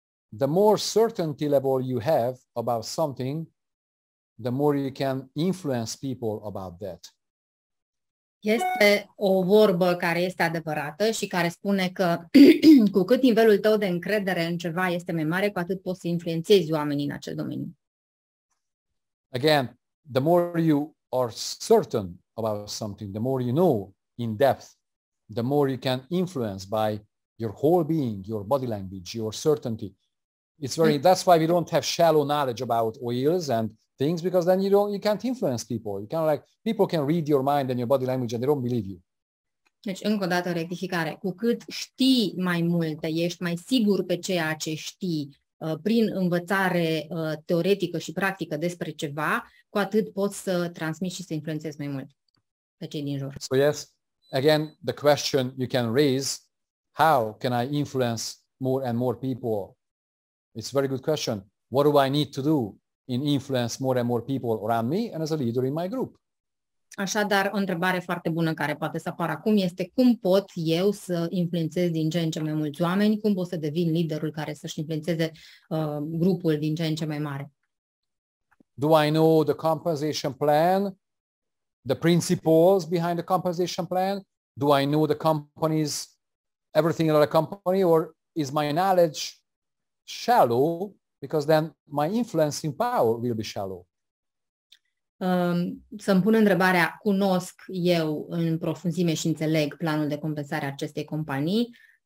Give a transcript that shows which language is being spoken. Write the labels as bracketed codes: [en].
[en] The more certainty level you have about something, the more you can influence people about that. [ro] Este o vorbă care este adevărată și care spune că cu cât nivelul tău de încredere în ceva este mai mare, cu atât poți să influențezi oamenii în acel domeniu. [en] Again, the more you are certain about something, the more you know in depth, the more you can influence by your whole being, your body language, your certainty. That's why we don't have shallow knowledge about oils and things, because then you can't influence people. You can't, like, people can read your mind and your body language and they don't believe you. [ro] Deci, încă o dată, rectificare. Cu cât știi mai multe, ești mai sigur pe ceea ce știi prin învățare teoretică și practică despre ceva, cu atât poți să transmiți și să influențezi mai mult. pe cei din jur. [en] So yes, again, the question you can raise, how can I influence more and more people? It's a very good question. What do I need to do in influence more and more people around me and as a leader in my group? [ro] Așadar, o întrebare foarte bună care poate să apară acum este cum pot eu să influențez din ce în ce mai mulți oameni, cum pot să devin liderul care să-și influențeze grupul din ce în ce mai mare? [en] Do I know the compensation plan, the principles behind the compensation plan? Do I know the companies, everything about a company, or is my knowledge shallow? Because then my influencing power will be shallow. [ro] Să-mi pun întrebarea, cunosc eu în profunzime și înțeleg planul de compensare a acestei companii?